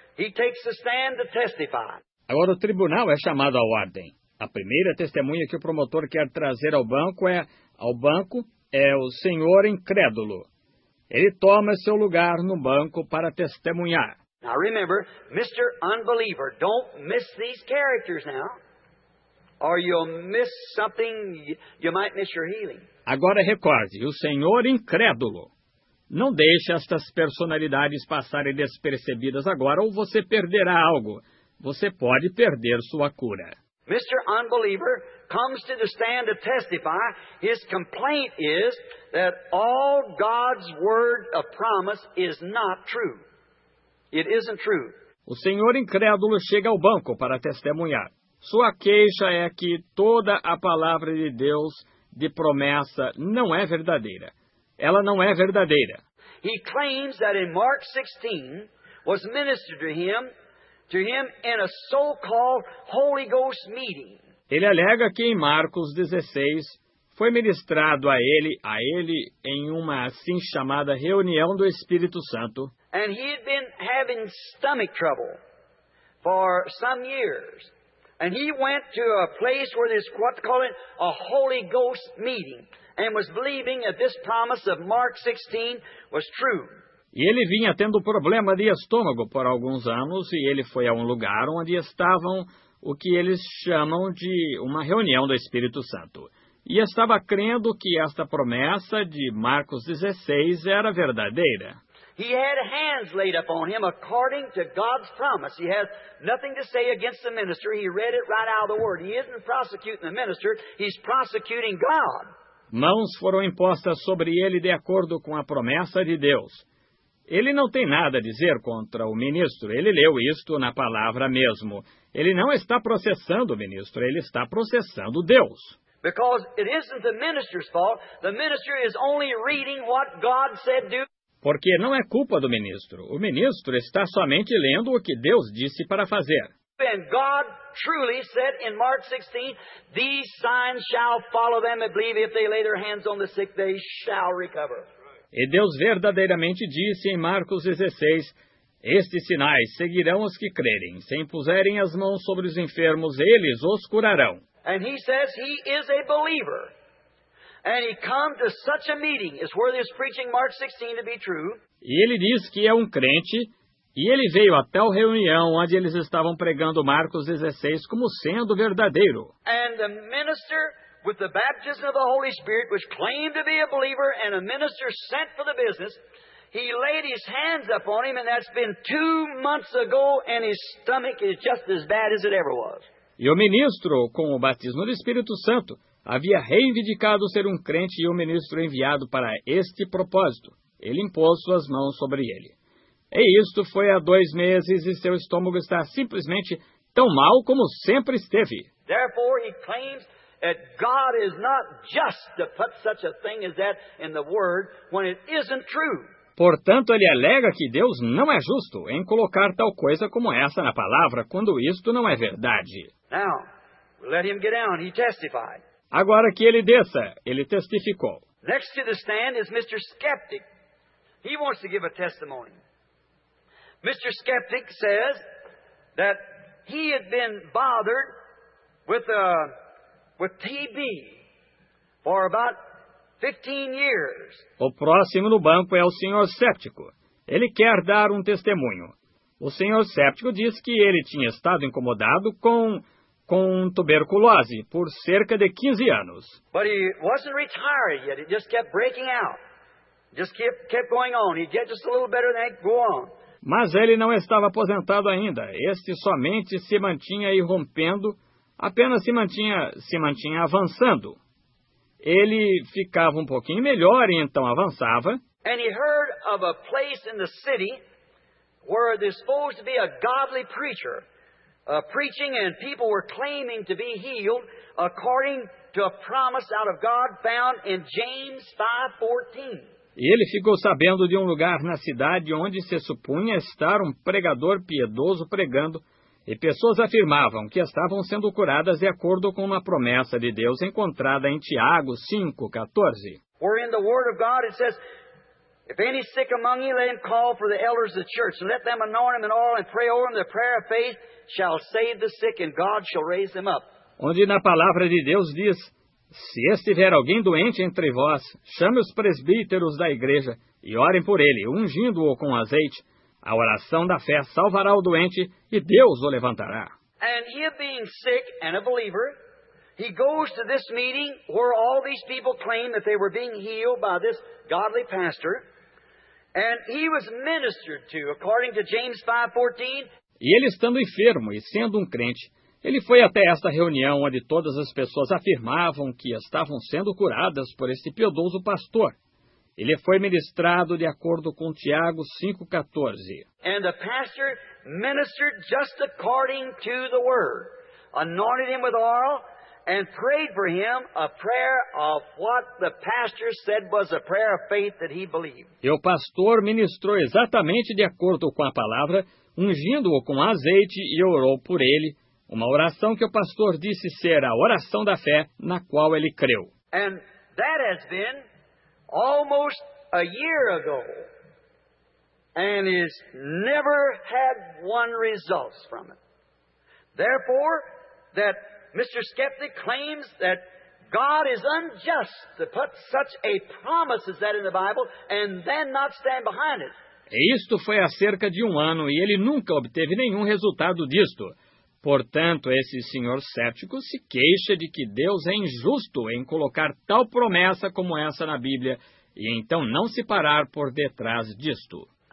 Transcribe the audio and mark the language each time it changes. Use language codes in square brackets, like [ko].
[en] He takes the stand to testify. [pt] Agora o tribunal é chamado à ordem. A primeira testemunha que o promotor quer trazer ao banco é o senhor incrédulo. Ele toma seu lugar no banco para testemunhar. [en] Now remember, Mr. Unbeliever, don't miss these characters now. Or you'll miss something, you might miss your healing. [pt] Agora recorde, o Senhor incrédulo. Não deixe estas personalidades passarem despercebidas agora ou você perderá algo. Você pode perder sua cura. [en] Mr. Unbeliever comes to the stand to testify. His complaint is that all God's word of promise is not true. It isn't true. [pt] O senhor incrédulo chega ao banco para testemunhar. Sua queixa é que toda a palavra de Deus de promessa não é verdadeira. Ela não é verdadeira. [en] He claims that in Mark 16 was ministered to him in a so-called Holy Ghost meeting. [pt] Ele alega que em Marcos 16 foi ministrado a ele em uma assim chamada reunião do Espírito Santo. [en] And he had been having stomach trouble for some years. And he went to a place where there's what's called a Holy Ghost meeting and was believing that this promise of Mark 16 was true. [pt] E ele vinha tendo problema de estômago por alguns anos e ele foi a um lugar onde estavam o que eles chamam de uma reunião do Espírito Santo. E estava crendo que esta promessa de Marcos 16 era verdadeira. [en] He had hands laid upon him according to God's promise. He has nothing to say against the minister. He read it right out of the word. He isn't prosecuting the minister. He's prosecuting God. [pt] Mãos foram impostas sobre ele de acordo com a promessa de Deus. Ele não tem nada a dizer contra o ministro. Ele leu isto na palavra mesmo. Ele não está processando o ministro. Ele está processando Deus. [en] Because it isn't the minister's fault. The minister is only reading what God said to. [pt] Porque não é culpa do ministro. O ministro está somente lendo o que Deus disse para fazer. [en] And God truly said in Mark 16, these signs shall follow them that believe. If they lay their hands on the sick, they shall recover. [pt] E Deus verdadeiramente disse em Marcos 16, estes sinais seguirão os que crerem. Se impuserem as mãos sobre os enfermos, eles os curarão. [en] And he says he is a believer. And he come to such a meeting as where this preaching Mark 16 to be true. [pt] E ele diz que é um crente, e ele veio até a reunião onde eles estavam pregando Marcos 16 como sendo verdadeiro. [en] And the minister with the baptism of the Holy Spirit, which claimed to be a believer and a minister sent for the business, he laid his hands upon him, and that's been 2 months ago, and his stomach is just as bad as it ever was. [pt] E o ministro, com o batismo do Espírito Santo, havia reivindicado ser um crente e o ministro enviado para este propósito. Ele impôs suas mãos sobre ele. E isto foi há 2 meses e seu estômago está simplesmente tão mal como sempre esteve. [en] Therefore, he claims that God is not just to put such a thing as that in the word when it isn't true. [pt] Portanto, ele alega que Deus não é justo em colocar tal coisa como essa na palavra quando isto não é verdade. [en] Now, let him get down. He testified. [pt] Agora que ele desça, ele testificou. [en] Next to the stand is Mr. Skeptic. He wants to give a testimony. Mr. Skeptic says that he had been bothered with TB for about 15 years. [pt] O próximo no banco é o Sr. Séptico. Ele quer dar um testemunho. O Sr. Séptico diz que ele tinha estado incomodado com tuberculose por cerca de 15 anos. [en] But he wasn't retired yet. It just kept breaking out. Just kept going on. He'd get just a little better than that, go on. [pt] Mas ele não estava aposentado ainda. Este somente se mantinha irrompendo, apenas se mantinha avançando. Ele ficava um pouquinho melhor e então avançava. [en] And he heard of a place in the city where there's supposed to be a godly preacher. Preaching and people were claiming to be healed according to a promise out of God found in James 5:14. [pt] E ele ficou sabendo de um lugar na cidade onde se supunha estar um pregador piedoso pregando, e pessoas afirmavam que estavam sendo curadas de acordo com uma promessa de Deus encontrada em Tiago 5:14. [en] Where in the word of God it says, if any sick among you, let him call for the elders of the church, and let them anoint him in oil and pray over him the prayer of faith shall save the sick, and God shall raise him up. [pt] Onde na palavra de Deus diz, se estiver alguém doente entre vós, chame os presbíteros da igreja e orem por ele, ungindo-o com azeite. A oração da fé salvará o doente e Deus o levantará. [en] And he being sick and a believer, He goes to this meeting where all these people claim that they were being healed by this godly pastor. And he was ministered to, according to James 5:14. [pt] E ele estando enfermo e sendo um crente, ele foi até esta reunião onde todas as pessoas afirmavam que estavam sendo curadas por este piedoso pastor. Ele foi ministrado de acordo com Tiago 5:14. [en] And the pastor ministered just according to the word, anointed him with oil, and prayed for him a prayer of what the pastor said was a prayer of faith that he believed. [pt] E o pastor ministrou exatamente de acordo com a palavra, ungindo-o com azeite e orou por ele, uma oração que o pastor disse ser a oração da fé na qual ele creu. [en] And that has been almost a year ago, and has never had one result from it. Therefore, that Mr. Skeptic claims that God is unjust to put such a promise as that in the Bible and then not stand behind it. [pt] E isto foi há cerca de um ano e ele nunca obteve nenhum resultado disto. Portanto, esse senhor cético se queixa de que Deus é injusto em colocar tal promessa como essa na Bíblia e então não se parar por detrás disto.